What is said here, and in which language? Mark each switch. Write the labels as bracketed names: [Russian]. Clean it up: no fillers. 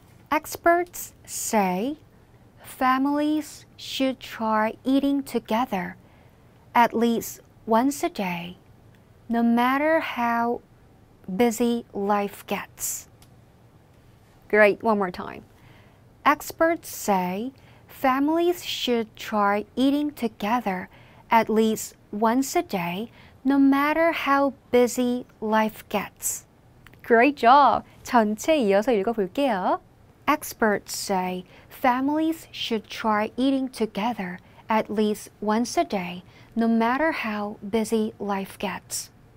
[English] Experts say families should try eating together at least once a day, no matter how busy life gets. Great, one more time. Experts say families should try eating together at least once a day, no matter how busy life gets. Great job! [Korean] 전체 이어서 읽어볼게요. [English] Experts say families should try eating together at least once a day, no matter how busy life gets.